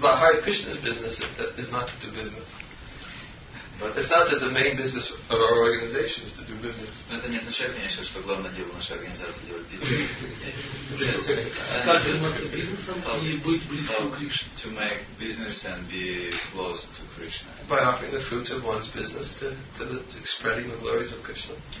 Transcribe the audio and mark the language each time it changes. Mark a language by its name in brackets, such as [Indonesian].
[English] but Hare Krishna's business is not to do business. But it's not that the main business of our organization is to do business. [Russian] Но это не означает, конечно, что главное дело нашей организации делать бизнес. Как заниматься бизнесом и быть близким к Кришне. [English] To make business and be close to Krishna. By offering the fruits of one's business to spreading the glories of Krishna.